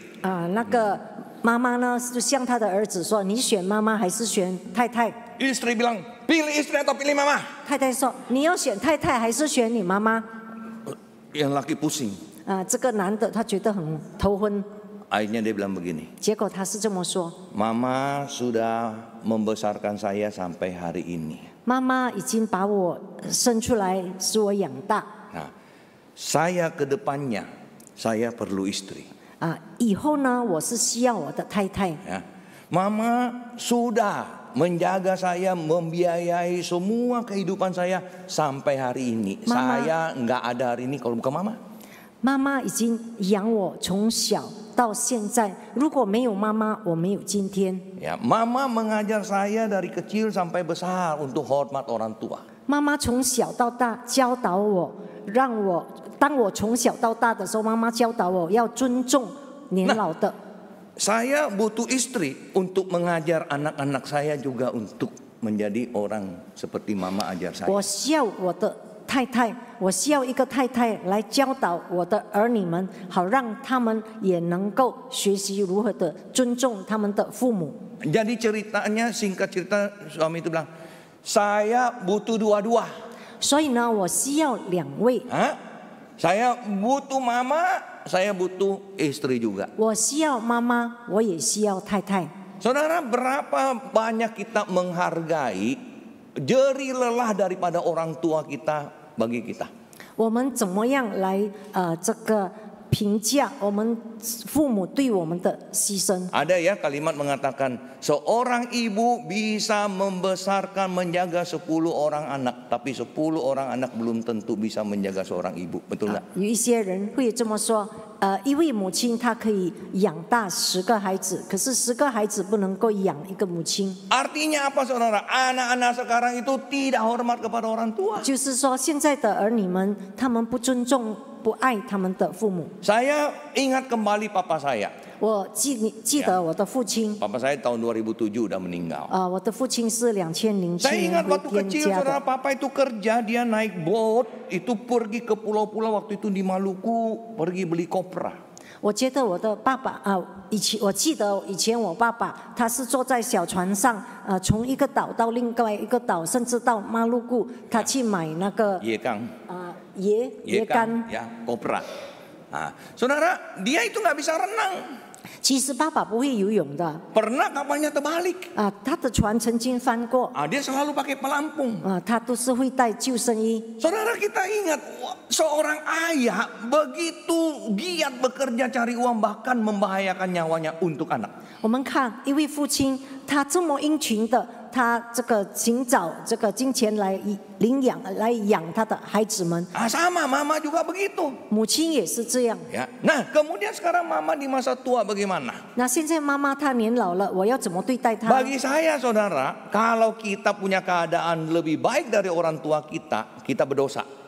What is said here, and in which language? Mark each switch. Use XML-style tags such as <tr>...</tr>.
<zh>那个妈妈呢，就向他的儿子说，你选妈妈还是选太太？</zh> <id>Istri bilang, pilih istri atau pilih mama?</id> <zh>太太说，你要选太太还是选你妈妈？</zh> <id>Yang laki pusing.</id> <zh>这个男的他觉得很头昏。</zh> <id>Akhirnya dia bilang begini.</id> <zh>结果他是这么说。</zh> <id>Mama sudah membesarkan saya sampai hari ini.</id> <zh>Mama 已经把我生出来，使我养大。</zh> <id>Nah, saya kedepannya saya perlu istri.</id> <zh>以后呢，我是需要我的太太。 Yeah.</zh> <id>Mama sudah menjaga saya, membiayai semua kehidupan saya sampai hari ini. Mama, saya nggak ada hari ini kalau bukan mama.</id> <zh>Mama 已经养我从小。到现在，如果没有妈妈，我没有今天。</zh> <id>Ya, mama mengajar saya dari kecil sampai besar untuk hormat orang tua.</id> <zh>Mama 从小到大教导我，让我当我从小到大的时候，妈妈教导我要尊重年老的。</zh> <id>Saya butuh istri untuk mengajar anak-anak saya juga untuk menjadi orang seperti mama ajar saya.</id> <zh>我需要我的太太，我需要一个太太来教导我的儿女们，好让他们也能够学习如何的尊重他们的父母。</zh> <id>Jadi ceritanya singkat cerita, suami itu bilang, saya butuh dua-dua.</id> <zh>所以呢，我需要两位。</zh> <id>Saya butuh mama, saya butuh istri juga.</id> <zh>我需要妈妈，我也需要太太。</zh> <id>Saudara, berapa banyak kita menghargai jeri lelah daripada orang tua kita bagi kita.</id> <zh>我们怎么样来这个评价我们父母对我们的牺牲？</zh> <id>Ada ya kalimat mengatakan seorang ibu bisa membesarkan menjaga 10 orang anak, tapi 10 orang anak belum tentu bisa menjaga seorang ibu, betul tak?</id> <zh>有一些人会这么说，一位母亲她可以养大十个孩子，可是十个孩子不能够养一个母亲。</zh> <id>Artinya apa saudara? Anak-anak sekarang itu tidak hormat kepada orang tua.</id> <zh>就是说现在的儿女们，他们不尊重。不爱他们的父母。</zh> <id>Saya ingat kembali papa saya.</id> <zh>我记得我的父亲。</zh> <id>Papa saya tahun 2007 sudah meninggal.</id> <zh>我的父亲是2007年。</zh> <id>Saya ingat waktu kecil, saudara, papa itu kerja, dia naik boat, itu pergi ke pulau-pulau waktu itu di Maluku, pergi beli kopra.</id> <zh>我觉得我的爸爸我记得以前我爸爸他是坐在小船上，从一个岛到另外一个岛，甚至到马鲁古，他去买那个。椰缸。椰干</zh> <id>呀，コプラ。啊 ，saudara, dia itu nggak bisa renang。</id> <zh>其实爸爸不会游泳的。</zh> <id>Pernah kapalnya terbalik。</id> <zh>他的船曾经翻过。</zh> <id>Dia selalu pakai pelampung。</id> <zh>他都是会带救生衣。</zh> <id>Saudara, kita ingat seorang ayah begitu giat bekerja cari uang bahkan membahayakan nyawanya untuk anak。</id> <zh>我们看一位父亲，他这么殷勤的。他这个寻找这个金钱来领养来养他的孩子们。</zh> <id>Ah, sama, mama juga begitu.</id> <zh>母亲也是这样。</zh> <id>Ya. Nah, kemudian sekarang mama di masa tua bagaimana?</id> <zh>Nah, 现在妈妈她年老了，我要怎么对待她？</zh> <id>Bagi saya, saudara, kalau kita punya keadaan lebih baik dari orang tua kita, kita berdosa.</id>